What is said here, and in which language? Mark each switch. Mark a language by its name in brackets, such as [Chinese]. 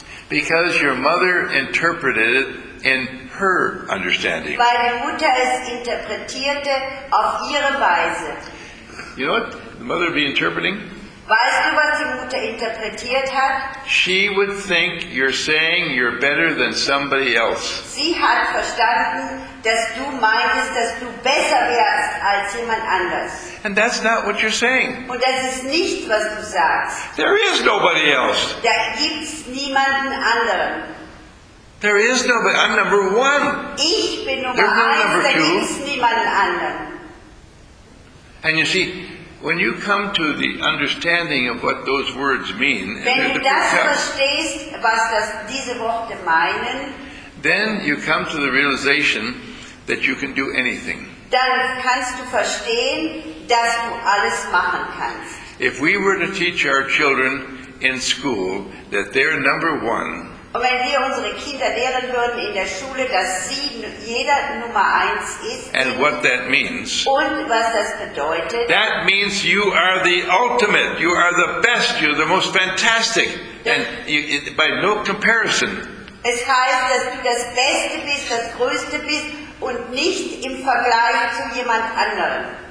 [English] Because your mother interpreted it in her understanding. [German] Weil die Mutter es interpretierte auf ihre Weise. [English] You know what the mother would be interpreting? [German] Weißt du, was die Mutter interpretiert hat? [English] She would think you're saying you're better than somebody else. [German] Sie hat verstanden, dass du meintest, dass du besser wärst als jemand anders. [English] And that's not what you're saying. [German] Und das ist nicht, was du sagst. [English] There is nobody else. [German] Da gibt's niemanden anderen. [English] There is nobody. I'm number one. [German] Ich bin Nummer eins. [English] Number [German] da gibt's niemanden anderen. [English] And you see, when you come to the understanding of what those words mean, [German] wenn du das verstehst, was das, diese Worte meinen, [English] then you come to the realization that you can do anything. [German] Dann kannst du verstehen, dass du alles machen kannst. [English] If we were to teach our children in school that they're number one, [German] und wenn wir unsere Kinder lehren würden in der Schule, dass sie jeder Nummer eins ist, [English] and what that means, [German] und was das bedeutet, [English] that means you are the ultimate, you are the best, you're the most fantastic, and you, by no comparison. [German] Es heißt, dass du das Beste bist, das Größte bist und nicht im Vergleich zu jemand anderem.